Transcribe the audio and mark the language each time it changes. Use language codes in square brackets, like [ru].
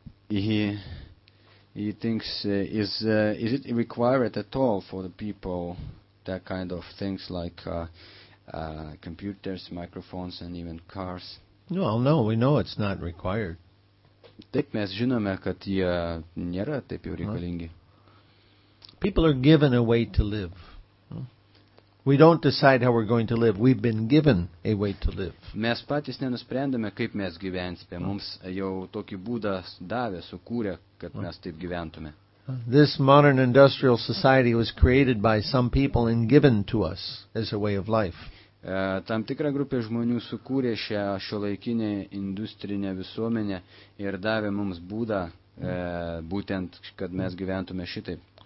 [en] He thinks, is it required at all for the people, that kind of things like computers, microphones and even cars? Well, no, we know it's not required. [lt] Taip, mes žinome, kad jie nėra taip jau reikalingi. [en] People are given a way to live. We don't decide how we're going to live. We've been given a way to live. [lt] Mes patys nenusprendėme, kaip mes gyvensime. Mums jau tokį būdą davė, sukūrė, kad mes taip gyventume. [en] This modern industrial society was created by some people and given to us as a way of life. [lt] Tam tikra grupė žmonių sukūrė šią šiuolaikinę industrinę visuomenę ir davė mums būdą, būtent, kad mes gyventume šitaip.